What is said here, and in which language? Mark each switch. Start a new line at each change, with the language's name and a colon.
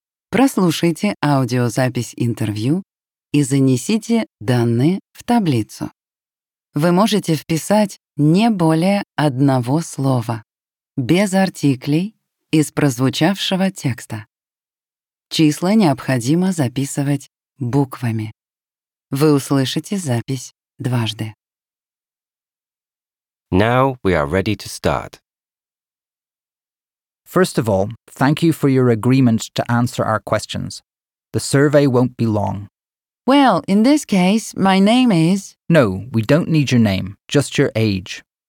Ukrainian: Прослушайте аудіозапись інтерв'ю і занесіть дані в таблицю. Ви можете вписати не більше одного слова, без артиклів, із прозвучавшого текста. Числа необхідно записувати буквами.
Russian: Ви услышите запись дважды.
English: Now we are ready to start. First of all, thank you for your agreement to answer our questions. The survey won't be long. Well, in this case, my name is... No, we don't need your name, just your age.